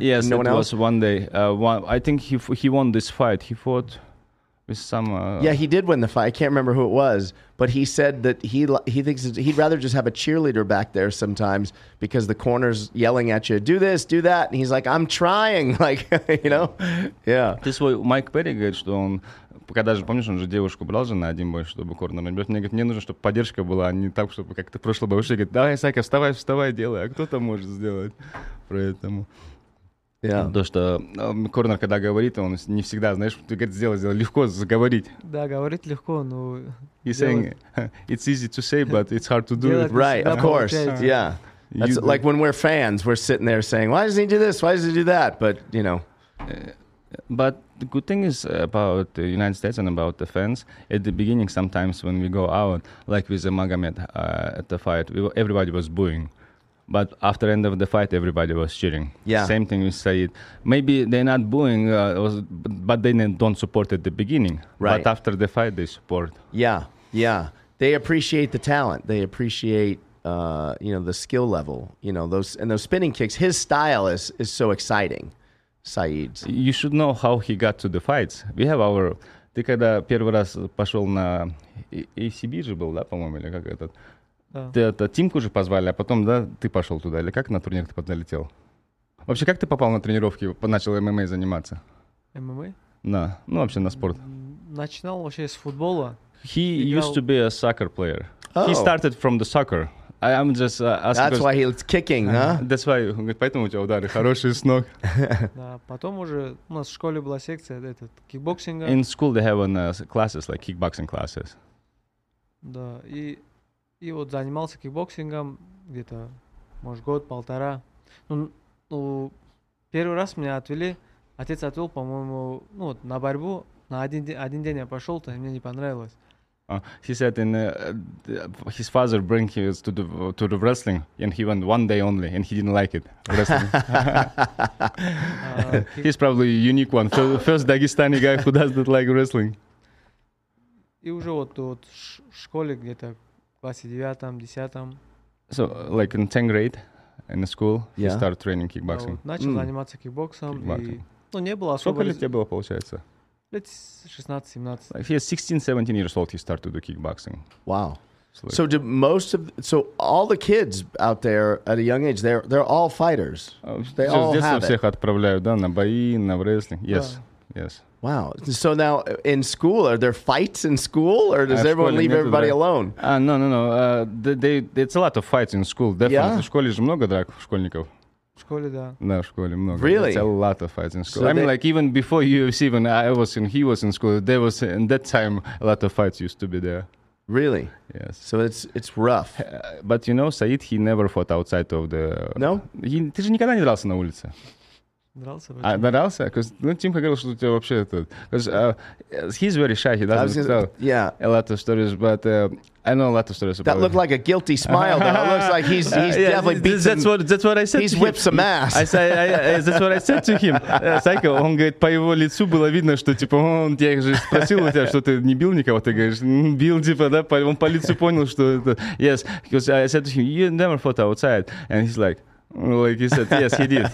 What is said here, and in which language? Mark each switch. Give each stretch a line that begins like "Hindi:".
English: Yes, and no one else? Was one day. I think he won this fight. He fought with some... Yeah, he did win the fight. I can't remember who it was. But he said that he thinks he'd rather just have a cheerleader back there sometimes because the corner's yelling at you, do this, do that. And he's like, I'm trying. Like, you know? Yeah. This way,
Russian: Mike Perry говорит, что он... Когда же, помнишь, он же девушку брал же на один бой, чтобы корнер набирать. Мне говорит, мне нужно, чтобы поддержка была, а не так, чтобы как-то прошло бой. Говорит, давай, Сайка, вставай, вставай, делай. А кто там может сделать? Поэтому. Yeah. То, что корнер, когда говорит, он не всегда, знаешь, ты говоришь, сделай. Легко заговорить. Да, говорить легко, но...
English: He's saying, it's easy to say, but it's hard to do it. Right, of course, yeah. That's like when we're fans, we're sitting there saying, why does he do this, why does he do that? But, you know... But the good thing is about the United States and about the fans, at the beginning, sometimes when we go out, like with the Magomed at the fight, everybody was booing. But after the end of the fight, everybody was cheering. Yeah. Same thing with Said. Maybe they're not booing, but they don't support at the beginning. Right. But after the fight, they support. Yeah, yeah. They appreciate the talent. They appreciate, you know, the skill level. You know, those spinning kicks. His style is so exciting. Саид. You should know how he got to the fights. We have our...
Russian: Ты когда первый раз пошел на... ACB же был, да, по-моему, или как этот? Да. Ты это, Тимку же позвали, а потом, да, ты пошел туда. Или как на турнир ты подлетел? Вообще, как ты попал на тренировки, начал ММА заниматься? ММА? Да. Ну, вообще, на спорт. Начинал вообще с футбола.
English: He used to be a soccer player. Oh. He started from the soccer. I'm just asking. That's why he's kicking, huh? That's why.
Russian: Он говорит, поэтому у тебя удары хорошие с ног. Да, потом уже у нас в школе была секция этот кикбоксинга.
English: In school they have classes like kickboxing classes.
Russian: Да, и вот занимался кикбоксингом где-то, может, год, полтора. Ну, первый раз меня отвели, отец отвел, по-моему, ну вот на борьбу на один день я пошел, то мне не понравилось.
English: He said in his father bring him to the wrestling, and he went one day only, and he didn't like it. Wrestling. He's probably a unique one. First Dagestani guy who doesn't like wrestling.
Russian: И уже вот тут в школе где-то в классе девятом, десятом.
English: So like in 10th grade, in the school, yeah. He started training kickboxing.
Russian: Yeah, вот, начал заниматься кикбоксом. И, ну, не было особо... Сколько лет тебе было, получается?
English: Let's 16-17. Like he was 16-17 years old, he started to do kickboxing. Wow. So did most of all the kids out there at a young age, they're all fighters. They all have it.
Russian: Just всех отправляют, да, на бои, на wrestling. Yes. Yeah. Yes.
English: Wow. So now in school, are there fights in school or does everyone leave everybody alone? No. It's a lot of fights in school. Definitely.
Russian: Yeah. В школе же много драк школьников. В школе, да. Да, в школе много. Really?
English: It's a lot of fights in school. So I mean, like, even before UFC, when I was in, he was in school, there was, in that time, a lot of fights used to be there. Really? Yes. So it's rough. But, you know, Said, he never fought outside of the... No?
Russian: Ты же никогда не дрался на улице. Дрался? Ну, Тимка говорил, что у тебя вообще тут...
English: Because he's very shy, he doesn't tell a lot of stories, but... I know a lot of stories about that. That looked like a guilty smile, though. It looks like he's definitely beat that's him. That's what I said to him. He's whipped some ass. That's what I said to him.
Russian: Сайка, он говорит, по его лицу было видно, что, типа, он тебя же спросил у тебя, что ты не бил никого. Ты говоришь, бил, типа, да? Он по лицу понял, что это...
English: Yes, because I said to him, you never fought outside. And he's like he said, yes, he did.